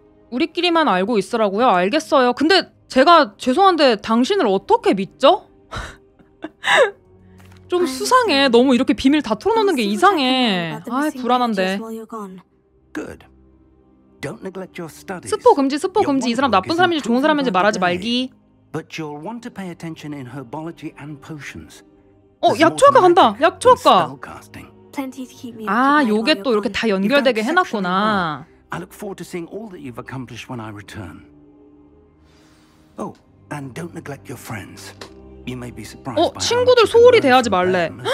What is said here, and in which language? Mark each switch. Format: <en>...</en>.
<ko>우리끼리만 알고 있으라고요? 알겠어요. 근데 제가 죄송한데 당신을 어떻게 믿죠? 좀 수상해. 너무 이렇게 비밀 다 털어놓는 게 이상해. 아, 불안한데.</ko> <en>Good. Don't neglect your studies.</en> <ko>스포 금지, 스포 금지. 이 사람 나쁜 사람인지 좋은 사람인지 말하지 말기.</ko> <en>But you'll want to pay attention in herbology and potions.</en> <ko>어, 약초학과 간다. 약초학과.</ko> <en>Plenty to keep me.</en> <ko>아, 요게 또 이렇게 다 연결되게 해 놨구나.</ko> <en>I look forward to seeing all that you've accomplished when I return. Oh, and don't neglect your friends. You may be surprised.</en> <ko>어, 친구들 소홀히 대하지 말래.</ko>